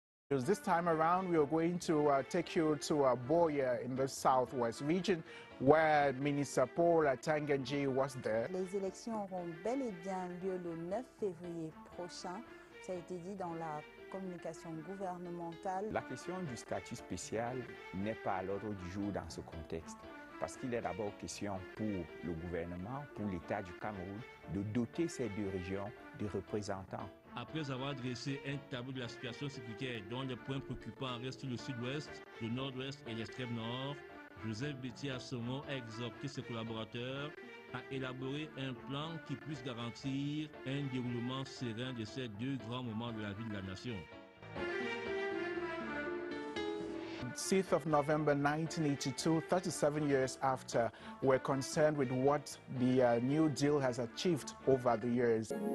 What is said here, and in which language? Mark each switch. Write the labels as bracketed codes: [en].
[en] This time around, we are going to take you to Boya in the southwest region, where Minister Paul Atangenji was there. [fr] Les élections auront bel et bien lieu le 9 février prochain. Ça a été dit dans la communication gouvernementale. La question du statut spécial n'est pas à l'ordre du jour dans ce contexte, parce qu'il est d'abord question pour le gouvernement, pour l'État du Cameroun, de doter ces deux régions de représentants. Après avoir dressé un tableau de la situation sécuritaire dont les points préoccupants restent le sud-ouest, le nord-ouest et l'extrême nord, Joseph Bétier à ce moment a exhorté ses collaborateurs à élaborer un plan qui puisse garantir un déroulement serein de ces deux grands moments de la vie de la nation. [en] 6th of November 1982, 37 years after, we're concerned with what the New Deal has achieved over the years.